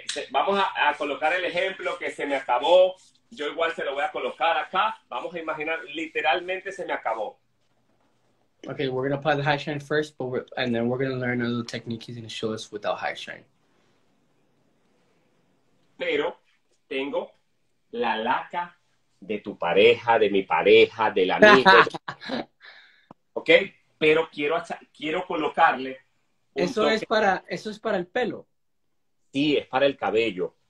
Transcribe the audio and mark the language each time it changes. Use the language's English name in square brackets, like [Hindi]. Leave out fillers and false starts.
[Spanish] Vamos a colocar el ejemplo que se me acabó. Yo igual se lo voy a colocar acá. Vamos a imaginar, literalmente se me acabó. [English] Okay, we're going to apply the high shine first, and then we're going to learn a little technique he's going to show us without high shine. [Spanish] Pero tengo la laca de tu pareja, de mi pareja, del amigo. Okay, pero quiero colocarle. Eso es para el pelo. Sí, es para el cabello.